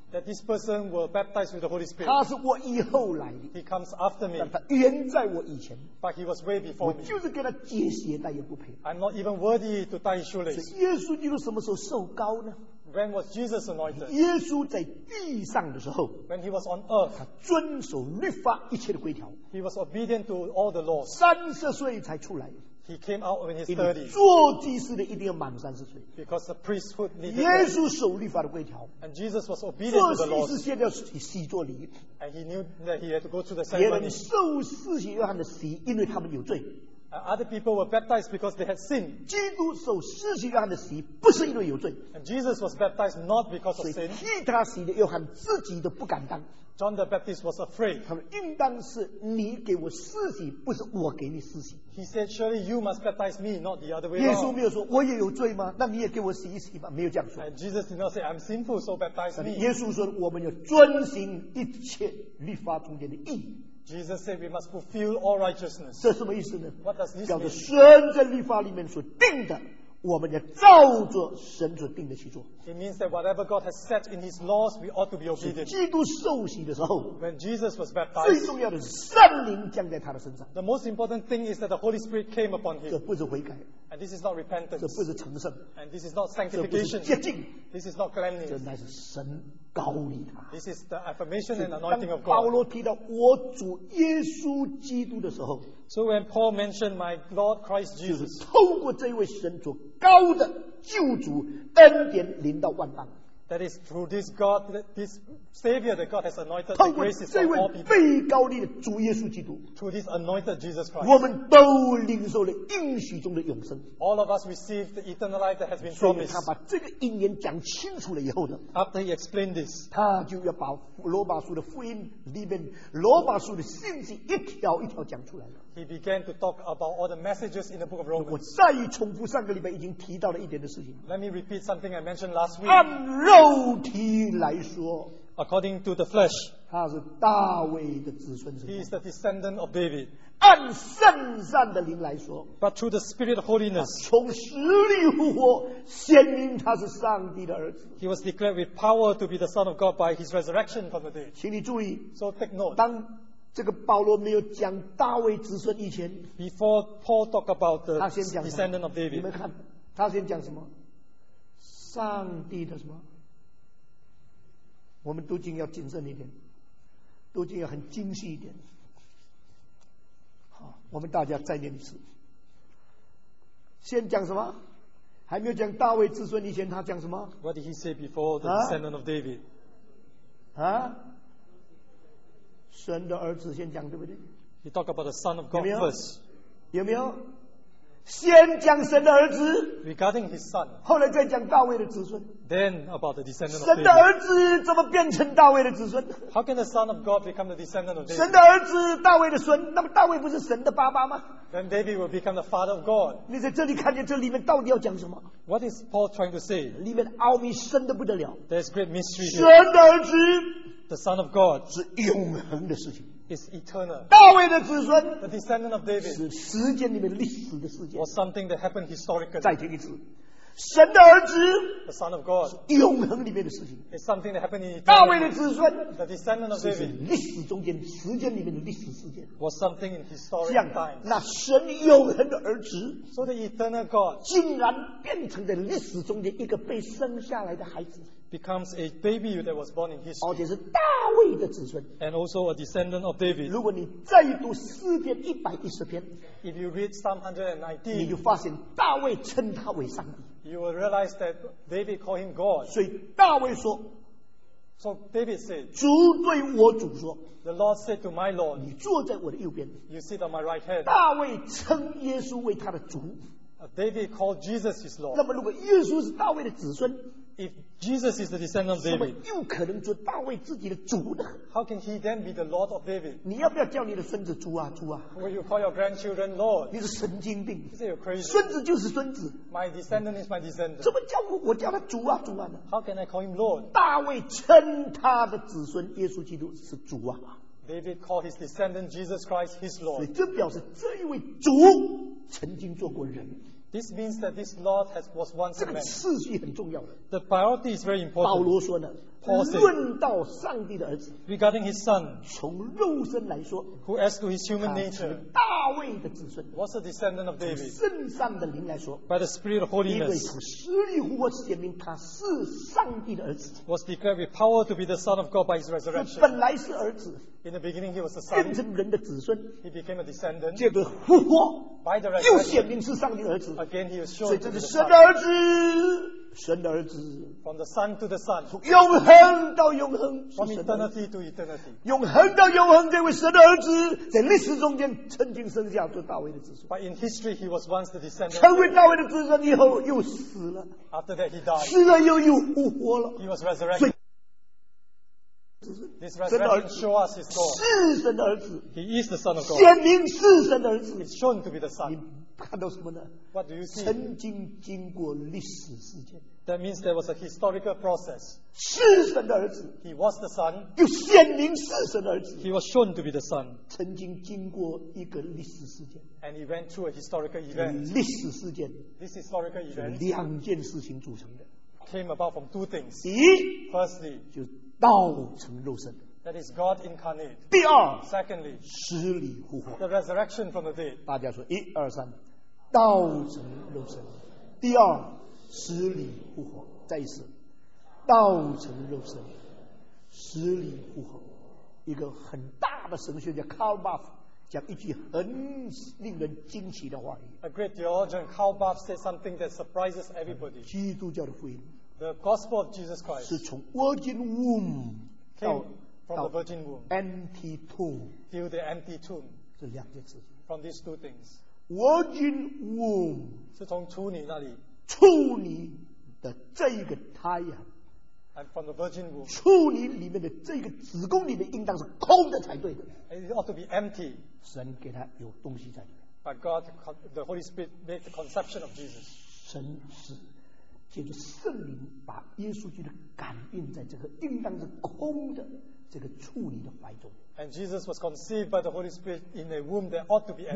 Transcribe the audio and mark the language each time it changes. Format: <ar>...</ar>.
<en>That this person will baptize with the Holy Spirit.</en> <zh>他是我以后来的。</zh> <en>He comes after me.</en> <zh>但他原在我以前。</zh> <en>But he was way before me.</en> <zh>我就是给他解鞋带也不配。</zh> <en>I'm not even worthy to tie his shoelace.</en> <zh>所以耶稣基督什么时候受膏呢？</zh> <en>When was Jesus anointed?</en> <zh>耶稣在地上的时候。</zh> <en>When he was on earth.</en> <zh>他遵守律法一切的规条。</zh> <en>He was obedient to all the laws.</en> <zh>三十岁才出来。</zh> <en>He came out when he's 30.</en> <zh>做祭司的一定要满三十岁。</zh> <en>Because the priesthood needed.</en> <zh>耶稣守律法的规条。</zh> <en>And Jesus was obedient to the laws.</en> <zh>做祭司先要洗作礼。</zh> <en>And he knew that he had to go through the ceremony.</en> <zh>别人受施洗约翰的洗，因为他们有罪。</zh> <en>Other people were baptized because they had sinned.</en> <zh>基督受施洗约翰的洗，不是因为有罪。</zh> <en>And Jesus was baptized not because of sin.</en> <zh>所以替他洗的约翰自己都不敢当。</zh> <en>John the Baptist was afraid.</en> <zh>他们应当是你给我施洗，不是我给你施洗。</zh> <en>He said, "Surely you must baptize me, not the other way."</en> <zh>耶稣没有说我也有罪吗？那你也给我洗一洗吧，没有这样说。</zh> <en>And Jesus did not say, "I'm sinful, so baptize me."</en> <zh>耶稣说我们要遵行一切律法中间的义。</zh> <en>Jesus said, "We must fulfill all righteousness."</en> <zh>这什么意思呢？</zh> <en>What does this mean?</en> <zh>表示神在律法里面所定的。我们要照着神所定的去做。</zh> <en>It means that whatever God has set in His laws, we ought to be obedient.</en> <zh>基督受洗的时候</zh> <en>，When Jesus was baptized,</en> <zh>最重要的是圣灵降在他的身上。</zh> <en>The most important thing is that the Holy Spirit came upon him.</en> <zh>这不是悔改</zh> <en>And this is not repentance.</en> <zh>这不是成圣。</zh> <en>And this is not sanctification.</en> <zh>这不是洁净。</zh> <en>This is not cleanliness.</en> <zh>这乃是神膏你的。</zh> <en>This is the affirmation and anointing of God.</en> <zh>当保罗提到我主耶稣基督的时候。</zh> <en>So when Paul mentioned my Lord Christ Jesus.</en> <zh>就是透过这位神主高的救主恩典临到万邦。</zh> <en>That is through this God, this Savior that God has anointed the graces of all people.</en> <zh>被高立的主耶稣基督。</zh> <en>Through this anointed Jesus Christ.</en> <zh>我们都领受了应许中的永生。</zh> <en>All of us received the eternal life that has been promised.</en> <zh>所以他把这个应验讲清楚了以后呢。</zh> <en>After he explained this.</en> <zh>他就要把罗马书的福音里面，罗马书的信息一条一条讲出来了。</zh> <en>He began to talk about all the messages in the book of Romans.</en> <zh>我再重复上个礼拜已经提到了一点的事情。</zh> <en>Let me repeat something I mentioned last week.</en> <zh>按肉体来说</zh> <en>，According to the flesh，</en> <zh>他是大卫的子孙。</zh> <en>He is the descendant of David.</en> <zh>按圣善的灵来说</zh> <en>，But through the Spirit of holiness，</en> <zh>从死里复活，显明他是上帝的儿子。</zh> <en>He was declared with power to be the Son of God by his resurrection from the dead.</en> <zh>请你注意</zh> <en>，So take note，</en> <zh>当这个保罗没有讲大卫子孙以前</zh> <en>，Before Paul talk about the descendant of David，</en> <zh>你们看，他先讲什么？上帝的什么？我们读经要谨慎一点，读经要很精细一点。好，我们大家再念一次。先讲什么？还没有讲大卫子孙以前，他讲什么</zh> <en>？What did he say before the descendant of David？</en> <zh>啊？神的儿子先讲，对不对？</zh> <en>He talk about the Son of God first.</en> <zh>有没有？先讲神的儿子。</zh> <en>Regarding his son.</en> <zh>后来再讲大卫的子孙。</zh> <en>Then about the descendant of David.</en> <zh>神的儿子怎么变成大卫的子孙？</zh> <en>How can the Son of God become the descendant of David?</en> <zh>神的儿子，大卫的孙，那么大卫不是神的爸爸吗？</zh> <en>Then David will become the father of God.</en> <zh>你在这里看见这里面到底要讲什么？</zh> <en>What is Paul trying to say?</en> <zh>里面奥秘深得不得了。</zh> <en>There's great mystery here.</en> <zh>神的儿子。</zh> <en>The Son of God</en> <zh>是永恒的事情。</zh> <en>Is eternal.</en> <zh>大卫的子孙</zh> <en>，The descendant of David</en> <zh>是时间里面历史的事件。</zh> <en>Or something that happened historically.</en> <zh>再听一次，神的儿子</zh> <en>，The Son of God</en> <zh>是永恒里面的事情。</zh> <en>Is something that happened in</en> <zh>大卫的子孙</zh> <en>，The descendant of David</en> <zh>是历史中间时间里面的历史事件。</zh> <en>Was something in historical times.</en> <zh>那神永恒的儿子</zh> <en>，So the eternal God</en> <zh>竟然变成在历史中间一个被生下来的孩子。</zh> <en>Becomes a baby that was born in history.</en> <zh>而且是大卫的子孙。</zh> <en>And also a descendant of David.</en> <zh>如果你再读诗篇一百一十篇</zh> <en>，If you read Psalm 119,</en> <zh>你就发现大卫称他为上帝。</zh> <en>You will realize that David called him God.</en> <zh>所以大卫说</zh> <en>，So David said,</en> <zh>主对我主说</zh> <en>，The Lord said to my Lord,</en> <zh>你坐在我的右边。</zh> <en>You sit on my right hand.</en> <zh>大卫称耶稣为他的主。</zh> <en>David called Jesus his Lord.</en> <zh>那么如果耶稣是大卫的子孙。</zh> <en>If Jesus is the descendant of David,</en> <zh>又可能做大卫自己的主呢？</zh> <en>How can he then be the Lord of David?</en> <zh>你要不要叫你的孙子主啊，主啊？</zh> <en>Will you call your grandchildren Lord?</en> <zh>你是神经病！</zh> <en>Is it crazy?</en> <zh>孙子就是孙子。</zh> <en>My descendant is my descendant.</en> <zh>怎么叫我叫他主啊，主啊呢？</zh> <en>How can I call him Lord?</en> <zh>大卫称他的子孙耶稣基督是主啊。</zh> <en>David called his descendant Jesus Christ his Lord.</en> <zh>所以这表示这一位主曾经做过人。</zh> <en>This means that this Lord was once a man.</en> <zh>这个次序很重要的。</zh> <en>The priority is very important.</en> <zh>保罗说呢，</zh> <en>Paul said,</en> <zh>论到上帝的儿子，</zh> <en>regarding his son,</en> <zh>从肉身来说，</zh> <en>who as to his human nature,</en> <zh>大卫的子孙，</zh> <en>was a descendant of David.</en> <zh>从圣上的灵来说，</zh> <en>by the spirit of holiness,</en> <zh>因为从死里复活显明他是上帝的儿子，</zh> <en>was declared with power to be the son of God by his resurrection.</en> <zh>本来是儿子，</zh> <en>in the beginning he was a son.</en> <zh>变成人的子孙，</zh> <en>he became a descendant.</en> <zh>借着复活，</zh> <en>by the resurrection,</en> <zh>又显明是上帝的儿子。</zh> <en>Again, he</en> <zh>所以这是神的儿子，神的儿子。</zh> <en>From the Son to the Son,</en> <zh>从永恒到永恒。</zh> <en>From eternity to eternity,</en> <zh>永恒到永恒，这位神的儿子在历史中间曾经生下做大卫的子孙。</zh> <en>But in history, he was once the descendant.</en> <zh>成为大卫的子孙以后又死了。</zh> <en>After that, he died.</en> <zh>死了又又复活了。</zh> <en>He was resurrected. This resurrection show us his God.</en> <zh>是神的儿子。</zh> <en>He is the Son of God.</en> <zh>显明是神的儿子。</zh> <en>It's shown to be the Son.</en> <zh>看到什么呢？</zh> <en>What do you see?</en> <zh>曾经经过历史事件。</zh> <en>That means there was a historical process.</en> <zh>是神的儿子。</zh> <en>He was the son.</en> <zh>又显明是神的儿子。</zh> <en>He was shown to be the son.</en> <zh>曾经经过一个历史事件。</zh> <en>And he went through a historical event.</en> <zh>历史事件。</zh> <en>This historical event.</en> <zh>是两件事情组成的。</zh> <en>Came about from two things.</en> <zh>第一，</zh> <en>Firstly,</en> <zh>就道成肉身。</zh> <en>That is God incarnate.</en> <zh>第二，</zh> <en>Secondly,</en> <zh>死里复活。</zh> <en>The resurrection from the dead.</en> <zh>大家说一二三。道者肉身。第二，死里复活。再一次，道成肉身，死里复活。一个很大的神学家 Karl Barth 讲一句很令人惊奇的话语。</zh> <en>A great theologian Karl Barth said something that surprises everybody.</en> <zh>基督教的福音。</zh> <en>The gospel of Jesus Christ.</en> <zh>是从</zh> <en>virgin womb came from the virgin womb. Empty tomb. Till the empty tomb.</en> <zh>这两件事情。</zh> <en>From these two things. Virgin womb.</en> <zh>是从处女那里。处女。的这一个胎啊</zh> <en>and from the virgin womb,</en> <zh>处女里面的这个子宫里面应当是空的才对的</zh> <en>it ought to be empty,</en> <zh>神给他有东西在里面</zh> <en>but God, the Holy Spirit made the conception of Jesus</en> <zh>神是借着圣灵把耶稣基督感应在这个应当是空的这个处女的怀中</zh> <en>and Jesus was conceived by the Holy Spirit in a womb that ought to be empty</en>